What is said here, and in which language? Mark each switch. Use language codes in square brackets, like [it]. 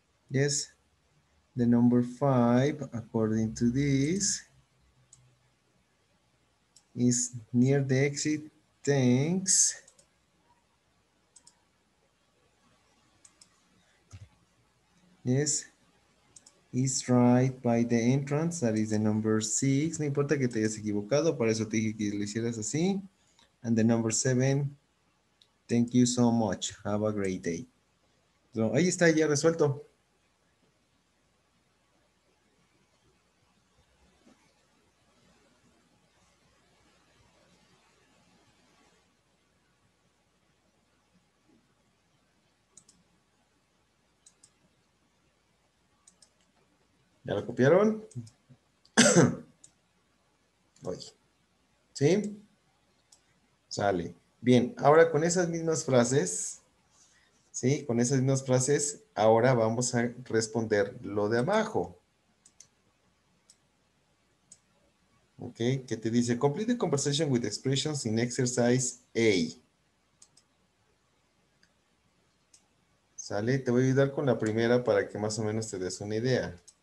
[en] Yes, the number 5, according to this, is near the exit. Thanks. Yes. Is right by the entrance, that is the number 6. [es] No importa que te hayas equivocado, por eso te dije que lo hicieras así. [en] And the number 7, thank you so much. Have a great day. [es] So, ahí está, ya resuelto. ¿Ya lo copiaron? Oye. ¿Sí? Sale. Bien, ahora con esas mismas frases, ¿sí? Con esas mismas frases, ahora vamos a responder lo de abajo. ¿Ok? ¿Qué te dice? [en] Complete the conversation with expressions in exercise A. [es] ¿Sale? Te voy a ayudar con la primera para que más o menos te des una idea.